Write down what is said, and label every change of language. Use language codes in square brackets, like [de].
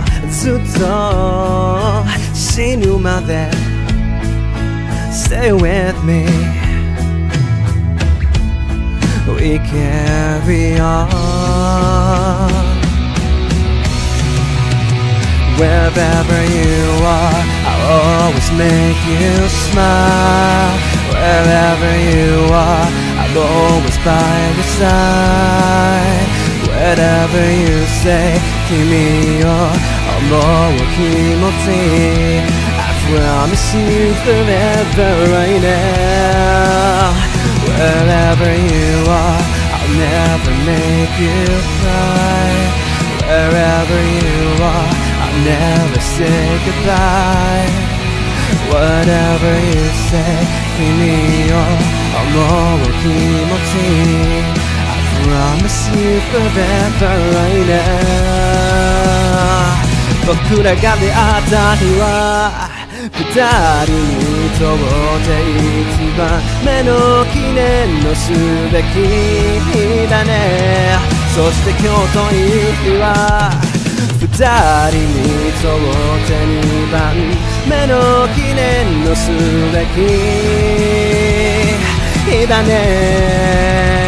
[ja] ずっと死ぬまで [en] Stay with me, We carry on. Wherever you are, I'll always make you smile. Wherever you are, I'll always by your side. Whatever you say, [ja] 君を思う気持ち、 [en] I promise you forever right now. Wherever you are, I'll never make you cry. Wherever you are, I'll never say goodbye. Whatever you say, [ja] 君を思う気持ち、 [en] I promise you forever right now. [ja] 僕らが出会った日は二人にとって一番目の記念のすべき日だね。そして今日という日は二人にとって二番目の記念のすべき日だね。